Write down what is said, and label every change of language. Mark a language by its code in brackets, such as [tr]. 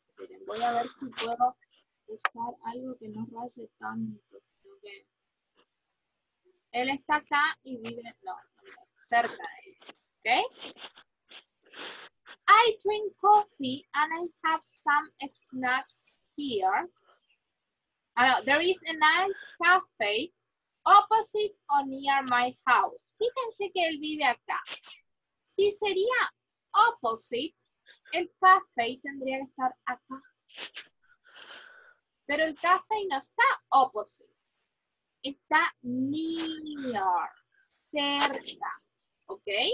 [es] Miren, voy a ver si puedo usar algo que no raye tanto. [en] Okay. [es] Él está acá y vive, no, cerca de él. ¿Ok? [en] I drink coffee and I have some snacks here. There is a nice cafe opposite or near my house. [es] Fíjense que él vive acá. Si sería opposite, el café tendría que estar acá. Pero el café no está opposite. Está near, cerca. ¿Ok?